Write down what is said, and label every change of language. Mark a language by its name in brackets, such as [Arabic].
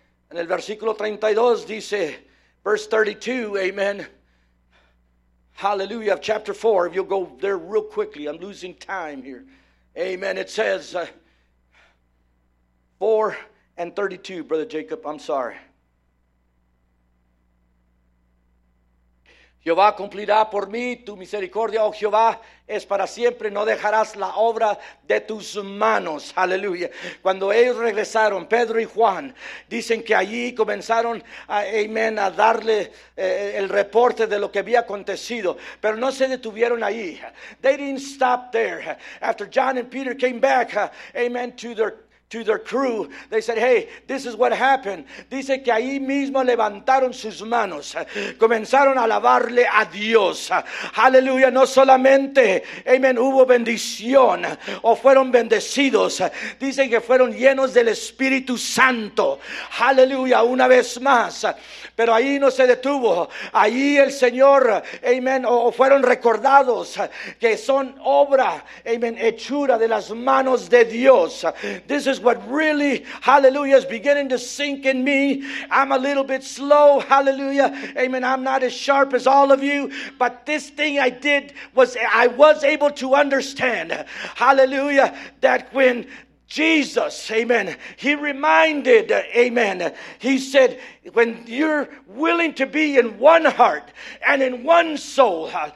[Spanish] En el versículo 32 dice, [English] verse 32, [Spanish] amen. [English] Hallelujah, chapter 4, if you'll go there real quickly, I'm losing time here. Amen, it says 4 and 32, Brother Jacob, I'm sorry. [Spanish] Jehová cumplirá por mí tu misericordia, oh Jehová, es para siempre, no dejarás la obra de tus manos, aleluya. Cuando ellos regresaron, Pedro y Juan, dicen que allí comenzaron a, amen, a darle el reporte de lo que había acontecido, pero no se detuvieron ahí. [English] They didn't stop there. After John and Peter came back, amen, to their crew, they said, hey, this is what happened. [Spanish] Dice que ahí mismo levantaron sus manos, comenzaron a alabarle a Dios, aleluya. No solamente, amen, hubo bendición o fueron bendecidos, dicen que fueron llenos del Espíritu Santo, aleluya, una vez más. Pero ahí no se detuvo, ahí el Señor, amen, o fueron recordados que son obra, amen, hechura de las manos de Dios. [English] This is what really, hallelujah, is beginning to sink in me. I'm a little bit slow, hallelujah, amen. I'm not as sharp as all of you, but this thing I did was, I was able to understand, hallelujah, that when Jesus, amen, he reminded, amen, he said, when you're willing to be in one heart and in one soul,